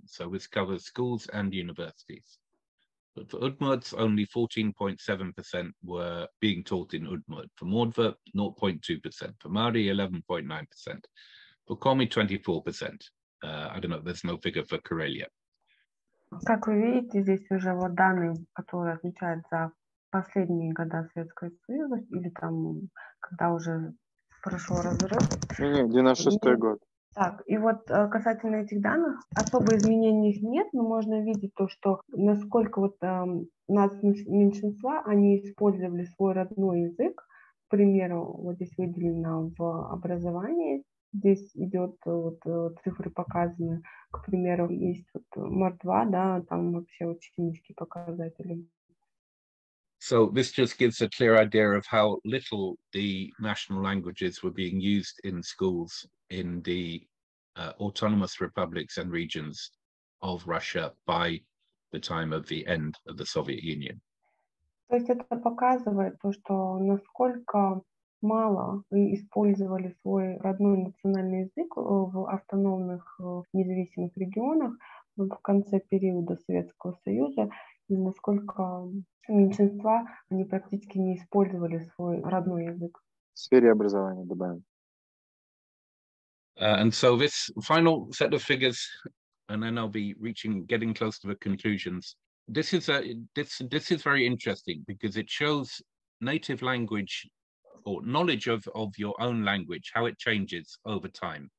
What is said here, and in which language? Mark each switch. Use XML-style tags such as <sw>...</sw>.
<en>So this covers schools and universities. But for Udmurts, only 14.7% were being taught in Udmurt. For Mordva, 0.2%. For Mari, 11.9%. For Komi, 24%. I don't know, there's no figure for Karelia.</en> <ru>Как вы видите, здесь уже вот данные, которые отмечают за последние года Советского Союза, или там, когда уже прошел разрыв. Нет, 96-й год. Так, и вот касательно этих данных, особо изменений нет, но можно видеть то, что насколько вот меньшинства, они использовали свой родной язык. К примеру, вот здесь выделено в образовании, здесь идет вот цифры показаны. К примеру, есть вот мордва, да, там вообще очень низкие показатели.</ru> <en>So this just gives a clear idea of how little the national languages were being used in schools in the autonomous republics and regions of Russia by the time of the end of the Soviet Union.</en> <ru>То есть это показывает то, что насколько мало использовали свой родной национальный язык в автономных независимых регионах в конце периода Советского Союза. И насколько меньшинства, они практически не использовали свой родной язык. В сфере образования добавим.</ru> <en>And so this final set of figures, and then I'll be getting close to the conclusions. This is very interesting because it shows native language or knowledge of your own language, how it changes over time.</en>